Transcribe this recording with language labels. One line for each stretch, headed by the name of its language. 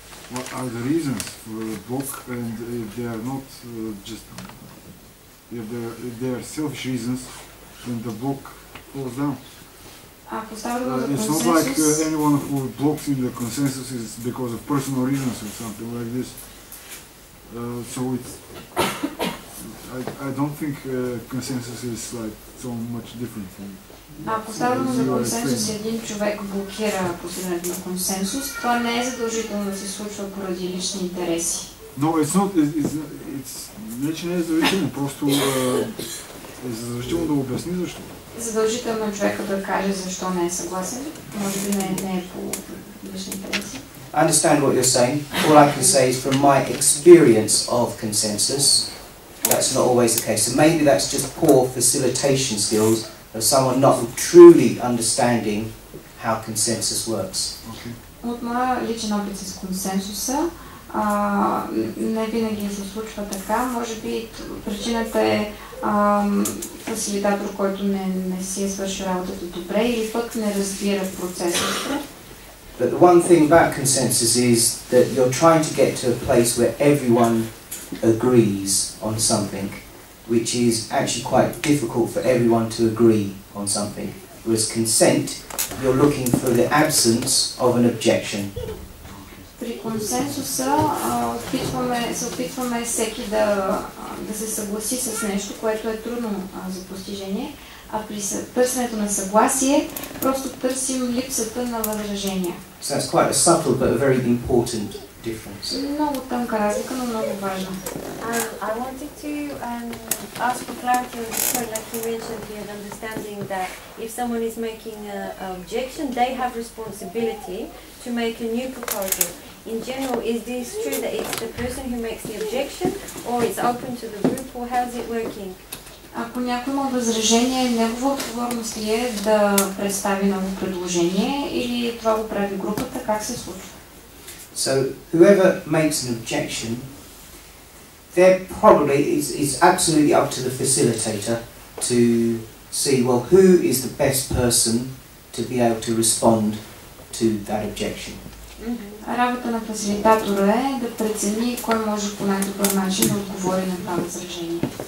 English: What are the reasons for the block, and if they are not just, if they are selfish reasons, then the block falls down. It's not like anyone who blocks in the consensus is because of personal reasons or something like this. I don't think consensus is like so much different from.
Bulgarian: Ако става дума за консенсус, един човек блокира постигането на консенсус, това не е задължително да се случва поради лични интереси.
English: No, it's not.
Bulgarian: Не е задължително. Просто е задължително да обясни защо. Задължително е човека да каже защо не е съгласен. Може би не е по лични интереси.
English: I understand what you're saying. All I can say is from my experience of consensus, that's not always the case. So maybe that's just poor facilitation skills of someone not truly understanding how consensus works.
Bulgarian: От моя личен опит с консенсуса, не винаги се случва така. Може би причината е фасилитатор, който не си е свършил работата добре или пък не разбира процеса.
English: But the one thing about consensus is that you're trying to get to a place where everyone agrees on something, which is actually quite difficult for everyone to agree on something. Whereas consent, you're looking for the absence of an objection.
Bulgarian: При консенсуса се опитваме всеки да се съгласи с нещо, което е трудно за постижение, а при търсенето на съгласие просто търсим липсата на възражения.
English: So that's quite a subtle but a very important difference.
Bulgarian: Много тънка разлика, но много важна.
English: I wanted to ask for clarity on this point, like you mentioned here, understanding that if someone is making an objection, they have responsibility to make a new proposal. In general, is this true that it's the person who makes the objection, or it's open to the group, or how is it working?
Bulgarian: Ако някой има възражение, негова отговорност ли е да представи ново предложение или това го прави групата, как се случва?
English: So, whoever makes an objection, they're probably is absolutely up to the facilitator to see, well, who is the best person to be able to respond to that objection. Mm-hmm.
Bulgarian: Работа на фасилитатора е да прецени кой може по най-добър начин да отговори на това възражение.